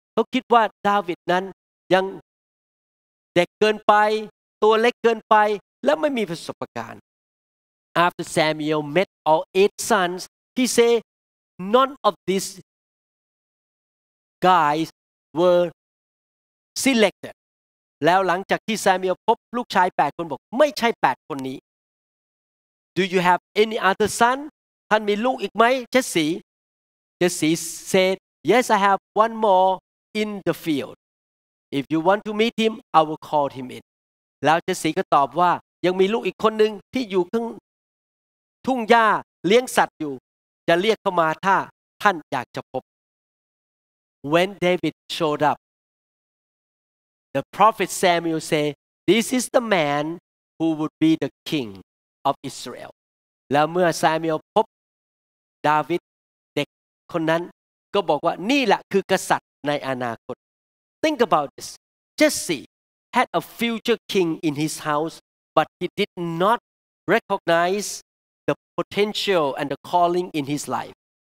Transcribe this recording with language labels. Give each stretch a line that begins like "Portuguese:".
Thai: เขาคิดว่าดาวิดนั้นยังเด็กเกินไปตัวเล็กเกินไปและไม่มีประสบการณ์
English: After Samuel met all 8 sons, he said, none of these guys were selected.
Thai: แล้วหลังจากที่ Samuel พบลูกชาย8คนบอกไม่ใช่8คนนี้
English: Do you have any other son?
Thai: ท่านมีลูกอีกไหม Jesse?
English: Jesse said, yes, I have one more in the field. If you want to meet him, I will call him in.
Thai: แล้ว Jesse ก็ตอบว่ายังมีลูกอีกคนนึงที่อยู่ข้างทุ่งหญ้าเลี้ยงสัตว์อยู่จะเรียกเข้ามาถ้าท่านอยากจะพบ
English: When David showed up the prophet Samuel said this is the man who would be the king of Israel
Thai: แล้วเมื่อซามูเอลพบดาวิดเด็กคนนั้นก็บอกว่านี่แหละคือกษัตริย์ในอนาคต
English: Think about this Jesse had a future king in his house but he did not recognizeThe potential and the calling in his life.